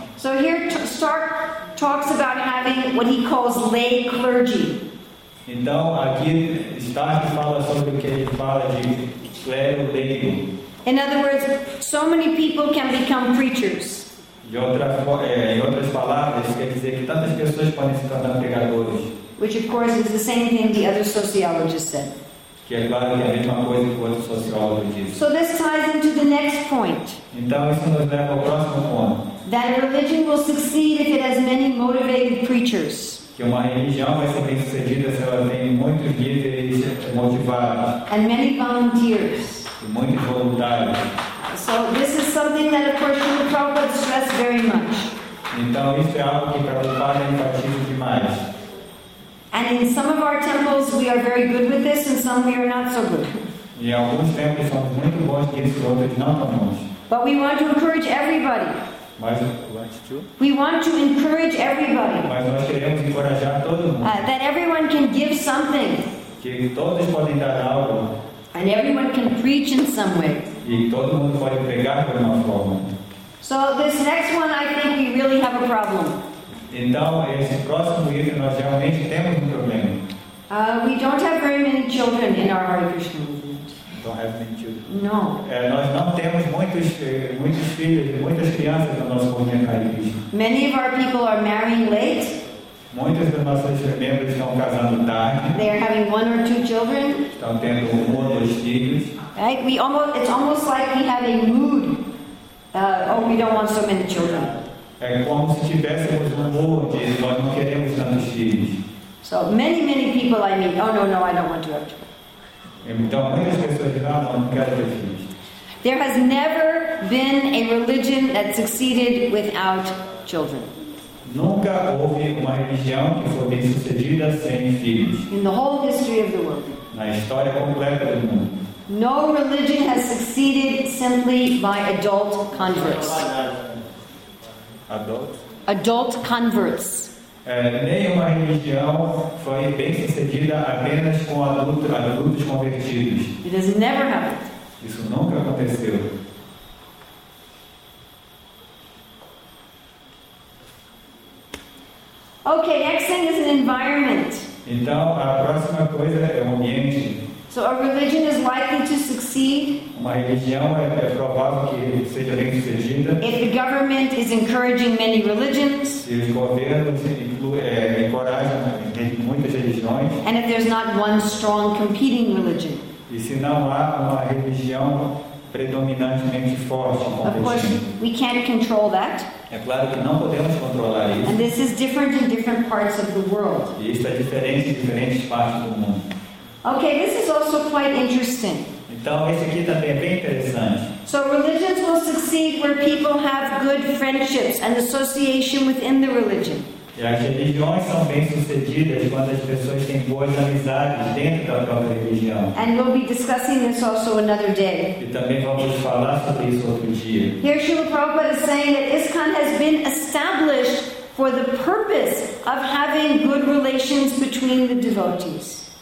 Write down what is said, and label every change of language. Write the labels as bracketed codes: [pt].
[en] So here Stark talks about having what he calls lay clergy. [pt] Então aqui Stark fala sobre o que ele fala de clero leigo. [en] In other words, so many people can become preachers. [pt] Em outras palavras, quer dizer que tantas pessoas podem se tornar pregadores. [en] Which of course is the same thing the other sociologist said. [pt] Que é claro que é a mesma coisa que o outro sociólogo disse. [en] So this ties into the next point. [pt] Então isso nos leva ao próximo ponto. [en] That religion will succeed if it has many motivated preachers. [pt] Que uma religião vai ser bem sucedida se ela tem muitos líderes motivados. [en] And many volunteers. [pt] E muitos voluntários. [en] So this is something that of course Srila Prabhupada stressed very much. [pt] Então isso é algo que Prabhupada enfatiza demais. [en] And in some of our temples we are very good with this and some we are not so good. [pt] E alguns templos são muito bons e outros não tão bons. [en] But we want to encourage everybody. We want to encourage everybody. [pt] Mas nós queremos encorajar todo mundo. [en] That everyone can give something. [pt] Que todos podem dar algo. [en] And everyone can preach in some way. [pt] E todo mundo pode pregar por uma forma. [en] So this next one I think we really have a problem. [pt] Então, esse próximo item nós realmente temos problema. [en] We don't have very many children in our Hare Krishna movement. Don't have many children. No. [pt] Nós não temos muitos filhos, muitas crianças no nosso movimento Hare Krishna. [en] Many of our people are marrying late. [pt] Muitos dos nossos membros estão casando tarde. [en] They are having one or two children. [pt] Estão tendo um ou dois filhos. [en] Right? It's almost like we have a mood. We don't want so many children. [pt] É como se tivéssemos onde nós não queremos tantos filhos. [en] So many people I meet, no, I don't want to have children. [pt] Então, muitas pessoas dizem, não quero ter filhos. [en] There has never been a religion that succeeded without children. [pt] Nunca houve uma religião que foi bem sucedida sem filhos. [en] In the whole history of the world. [pt] Na história completa do mundo. [en] No religion has succeeded simply by adult converts. Adult converts. [pt] Nenhuma religião foi bem sucedida apenas com adultos convertidos. [en] It has never happened. [pt] Isso nunca aconteceu. [en] Okay, next thing is an environment. [pt] Então, a próxima coisa é o ambiente. [en] So a religion is likely to succeed. [pt] Uma religião é provável que seja bem sucedida. [en] If the government is encouraging many religions. [pt] Se os governos encorajam muitas religiões. [en] And if there's not one strong competing religion. [pt] E se não há uma religião predominantemente forte competindo. [en] Of course, we can't control that. [pt] É claro que não podemos controlar isso. [en] And this is different in different parts of the world. [pt] E isso é diferente em diferentes partes do mundo. [en] Okay, this is also quite interesting. [pt] Então, esse aqui também é bem interessante. [en] So religions will succeed where people have good friendships and association within the religion. [pt] E as religiões são bem sucedidas quando as pessoas têm boas amizades dentro da própria religião. [en] And we'll be discussing this also another day. [pt] E também vamos falar sobre isso outro dia. [en] Here Srila Prabhupada is saying that ISKCON has been established for the purpose of having good relations between the devotees.